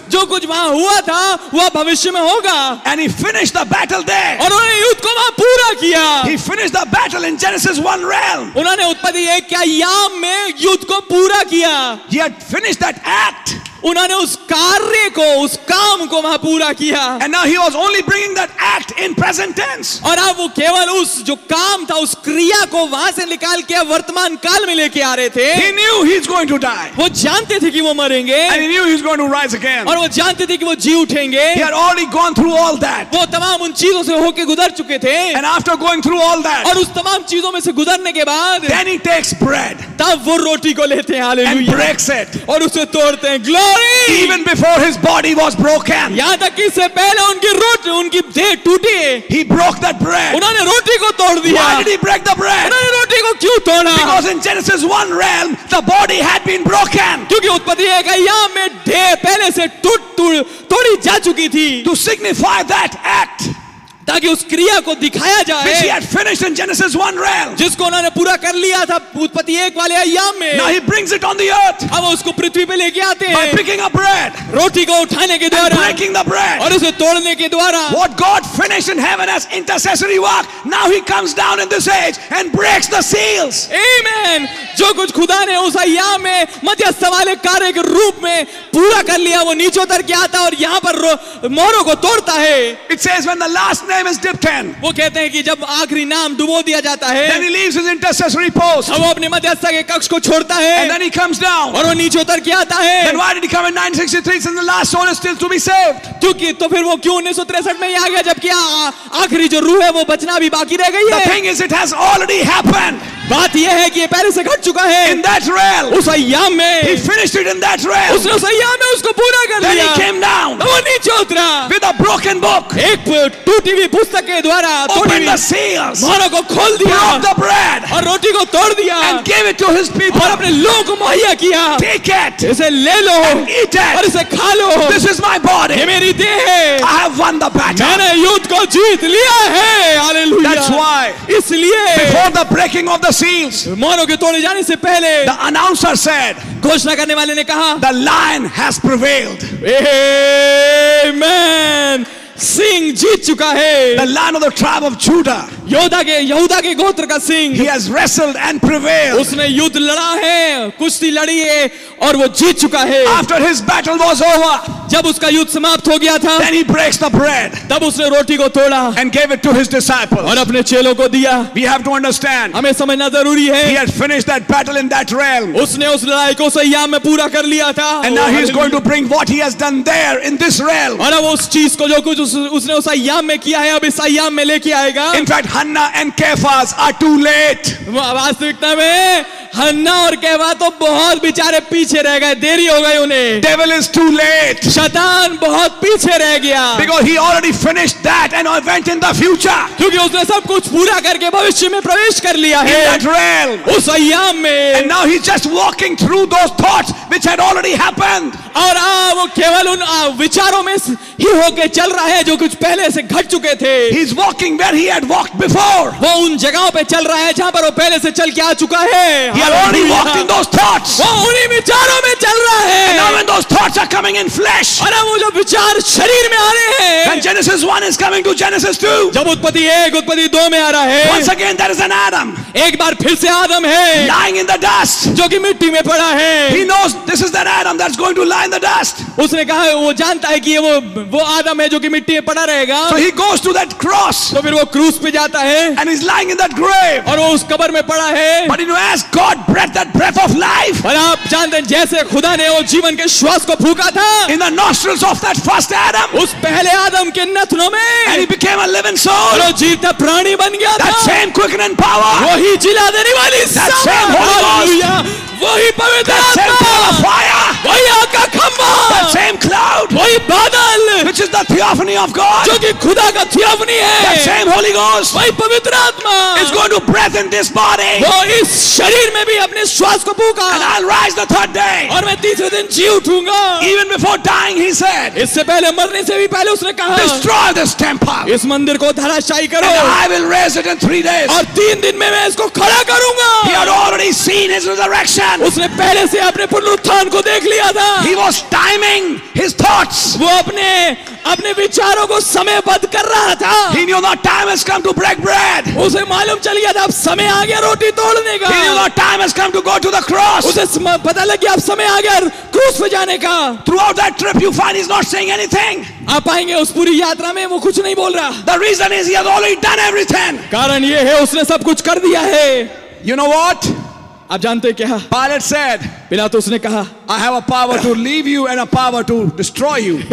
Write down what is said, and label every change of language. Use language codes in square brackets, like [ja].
[hi] जो कुछ वहां हुआ था वो भविष्य में होगा. [en] And he finished the battle there. [hi] और उन्होंने युद्ध को वहां पूरा किया. [en] He finished the battle in Genesis 1 realm. [hi] उन्होंने उत्पत्ति 1 के अय्याम में युद्ध को पूरा किया. [en] He had finished that act. [hi] उन्होंने उस कार्य को, उस काम को वहां पूरा किया. [en] And now he was only bringing that act in present tense. [hi] और अब वो केवल उस जो काम था उस क्रिया को वहां से निकाल के वर्तमान काल में लेके आ रहे थे. [en] He knew he's going to die. [hi] वो जानते थे कि वो मरेंगे. [en] And he knew he's going to rise again. [hi] और वो जानते थे कि वो जी उठेंगे. [en] He had already gone through all that. [hi] वो तमाम उन चीजों से होके गुजर चुके थे. [en] And after going through all that, [hi] और उस तमाम चीजों में से गुजरने के बाद, [en] then he takes bread. [hi] तब वो रोटी को लेते हैं. हालेलुया. [en] And breaks it. [hi] और उसे तोड़ते हैं. [en] Glory. Even before his body was broken, [hi] यहाँ तक कि इससे पहले उनकी रोटी, उनकी देह टूटी है, [en] he broke that bread. [hi] उन्होंने रोटी को तोड़ दिया. [en] Why did he break the bread? [hi] उन्होंने रोटी को क्यों तोड़ा? [en] Because in Genesis 1 realm, the body had been broken. [hi] क्योंकि उत्पत्ति एक अय्याम में देह पहले से तोड़ी जा चुकी थी. [en] To signify that act. [hi] ताकि उस क्रिया को दिखाया जाए, [en] which he had finished in Genesis 1 realm, [hi] जिसको उन्होंने पूरा कर लिया था उत्पत्ति 1 वाले अय्याम में. [en] Now he brings it on the earth, [hi] अब उसको पृथ्वी पे लेके आते हैं, [en] by picking up bread, [hi] रोटी को उठाने के द्वारा, [en] and breaking the bread, [hi] और उसे तोड़ने के द्वारा. [en] What God finished in heaven as intercessory work, now he comes down in this age and breaks the seals. Amen. [hi] जो कुछ खुदा ने उस अय्याम में मध्यस्थ वाले कार्य के रूप में पूरा कर लिया वो नीचे उतर के आता और यहाँ पर मोहरों को तोड़ता है. [en] It says when the last name is dipped in, [hi] वो कहते हैं कि जब आखिरी नाम डुबो दिया जाता है, [en] then he leaves his intercessory post, [hi] वो अपने मध्यस्थ के कक्ष को छोड़ता है, [en] and then he comes down, [hi] और वो नीचे उतर के आता है. [en] Then why did he come in 963 since the last soul is still to be saved? [hi] क्योंकि तो फिर वो क्यों 1963 में आ गया जबकि आखिरी जो रूह है वो बचना भी बाकी रह गई है. [en] The thing is, it has already happened. [hi] बात यह है कि ये पहले से घट चुका है. [en] In that realm, [hi] उस अय्याम में, [en] he finished it in that realm, [hi] उसने उस अय्याम में उसको पूरा कर लिया. [en] Then he came down, [hi] वो नीचे उतरा, [en] with a broken book, [hi] एक टूटी हुई पुस्तक के द्वारा, [en] opened the seals, [hi] मोहरों को खोल दिया, [en] broke the bread, [hi] और रोटी को तोड़ दिया, [en] and gave it to his people, [hi] और अपने लोगों को मुहैया किया, [en] take it, [hi] इसे ले लो, [en] and eat it, [hi] और इसे खा लो. [en] This is my body, [hi] ये मेरी देह है. [en] I have won the battle, [hi] मैंने युद्ध को जीत लिया है. [en] Hallelujah. That's why, [hi] इसलिए, [en] before the breaking of the seals, [hi] मोहरों के तोड़े जाने से पहले, [en] the announcer said, [hi] घोषणा करने वाले ने कहा, [en] the lion has prevailed. [hi] Amen. Singh जीत चुका है. [en] The lion of the tribe of Judah. [hi] Yoda के गोत्र का Singh. [en] He has wrestled and prevailed. [hi] उसने युद्ध लड़ा है, कुश्ती लड़ी है और वो जीत चुका है. [en] After his battle was over, [hi] जब उसका युद्ध समाप्त हो गया था, [en] then he breaks the bread, [hi] तब उसने रोटी को तोड़ा, [en] and gave it to his disciples, [hi] और अपने चेलों को दिया. [en] We have to understand, [hi] हमें समझना जरूरी है. [en] He has finished that battle in that realm, [hi] उसने उस लड़ाई को अय्याम में पूरा कर लिया था, [en] and now he is going to bring what he has done there in this realm, [hi] और अब उस चीज को जो कुछ उसने उस अय्याम में किया है अब इस अय्याम में लेके आएगा. [en] In fact, Hannah and Caiaphas are too late. [hi] वास्तविकता में हन्ना और कहवा तो बहुत बेचारे पीछे रह गए, देरी हो गई उन्हें. [en] Devil is too late. [hi] शैतान बहुत पीछे रह गया. [en] Because he already finished that and went in the future. [hi] क्योंकि उसने सब कुछ पूरा करके भविष्य में प्रवेश कर लिया है. [en] In that realm. [hi] उस अयाम में. [en] And now he's just walking through those thoughts which had already happened. [hi] और वो केवल उन विचारों में ही होके चल रहा है जो कुछ पहले से घट चुके थे. [en] He's walking where he had walked before. [hi] वो उन जगहों पे चल रहा है जहां पर वो पहले से चल के आ चुका है. [en] He had already walked in those thoughts. [hi] वो उन्हीं विचारों में चल रहा है. [en] And now when those thoughts are coming in flesh. [hi] और वो जो विचार शरीर में आ रहे हैं. [en] Then Genesis 1 is coming to Genesis 2. [hi] जब उत्पत्ति 1 उत्पत्ति 2 में आ रहा है. [en] Once again there is an Adam. [hi] एक बार फिर से आदम है. [en] Lying in the dust. [hi] जो कि मिट्टी में पड़ा है. [en] He knows this is that Adam that's going to lie in the dust. [hi] उसने कहा वो जानता है कि ये वो आदम है जो कि मिट्टी में पड़ा रहेगा. [en] So he goes to that cross. [hi] तो फिर वो क्रूस पे जाता है. [en] And he's lying in that grave. [hi] और वो उस कब्र में पड़ा है. [en] But he has God breath that breath of life. [hi] और आप जानते हैं जैसे खुदा ने वो जीवन के श्वास को फूंका था. [en] In the nostrils of that first Adam. [hi] उस पहले आदम के नथनों में. [en] And he became a living soul. [hi] वो जीवित प्राणी बन गया था. [en] That same quickening power. [hi] वही जिला देने वाली सामर्थ्य. वही पवित्र आत्मा. वही आग का खंभा. [en] That same cloud. [hi] वही बादल. [en] Which is the theophany of God. [hi] जो कि खुदा का थियोफनी है. [en] That same Holy Ghost. [hi] वही पवित्र आत्मा. [en] Is going to breathe in this body. [hi] वो इस शरीर में भी अपने श्वास को फूंका. [en] And I'll rise the third day. [hi] और मैं तीसरे दिन जी उठूंगा. [en] Even before dying, he said. [hi] इससे पहले मरने से भी पहले उसने कहा. [en] Destroy this temple. [hi] इस मंदिर को धराशायी करो. [en] And I will raise it in 3 days. [hi] और 3 दिन में मैं इसको खड़ा करूंगा. [en] He had already seen his resurrection. [hi] उसने पहले से अपने पुनरुत्थान को देख लिया था. [en] He was timing his thoughts. [hi] वो अपने अपने विचारों को समयबद्ध कर रहा था. [en] He knew the time has come to break bread. [hi] उसे मालूम चल गया था अब समय आ गया रोटी तोड़ने का. [en] He knew the time has come to go to the cross. [hi] उसे पता लग गया अब समय आ गया क्रूस पे जाने का. [en] Throughout that trip you find he's not saying anything. [hi] आप पाएंगे उस पूरी यात्रा में वो कुछ नहीं बोल रहा. [en] The reason is he has already done everything. [hi] कारण ये है उसने सब कुछ कर दिया है. [en] You know what? [hi] आप जानते क्या? [en] Pilate said. [hi] पिलातुस ने कहा. [en] I have a power to leave you and a power to destroy you.